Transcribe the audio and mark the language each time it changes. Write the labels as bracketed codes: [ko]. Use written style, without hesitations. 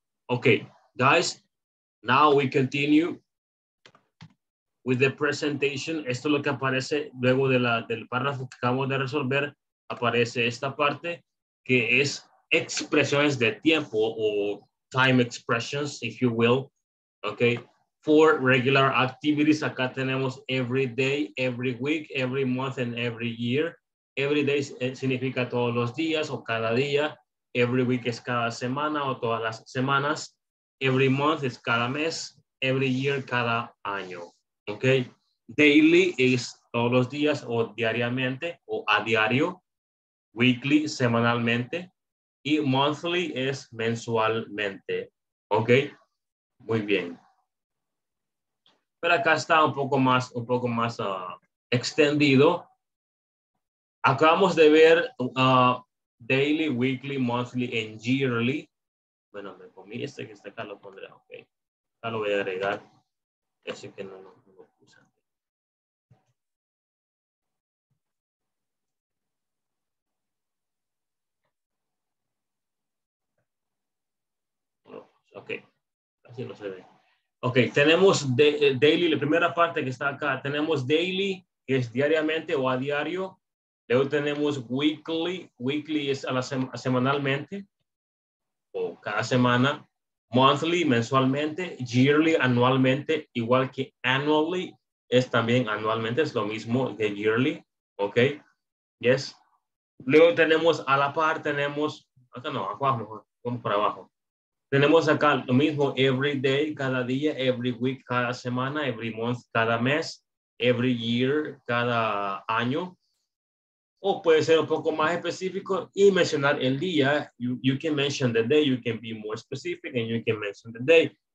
[en] Okay, guys, now we continue with the presentation. [es] Esto es lo que aparece luego de del párrafo que acabamos de resolver. Aparece esta parte que es expresiones de tiempo o time expressions, [en] if you will. Okay, for regular activities, [es] acá tenemos [en] every day, every week, every month, and every year. [es] Every day significa todos los días o cada día. Every week es cada semana o todas las semanas. Every month es cada mes. Every year, cada año. Okay, daily is todos los días o diariamente o a diario. Weekly, semanalmente. Y monthly es mensualmente. Okay, muy bien. Pero acá está un poco más extendido. Acabamos de ver daily, weekly, monthly, and yearly. Bueno, me comí este que está acá, lo pondré. Okay. Acá lo voy a agregar. Ese que no lo puse. Ok. Así no se ve. Ok, tenemos daily, la primera parte que está acá. Tenemos daily, que es diariamente o a diario. Luego tenemos weekly. Weekly es semanalmente o cada semana. Monthly, mensualmente. Yearly, anualmente. Igual que annually, es también anualmente. Es lo mismo que yearly. [en] Ok, yes. [es] Luego tenemos a la par, tenemos, acá no, abajo, vamos por abajo. Tenemos acá lo mismo, every day, cada día, every week, cada semana, every month, cada mes, every year, cada año. O puede ser un poco más específico y mencionar el día. [en] You can mention the day, you can be more specific and you can mention the day.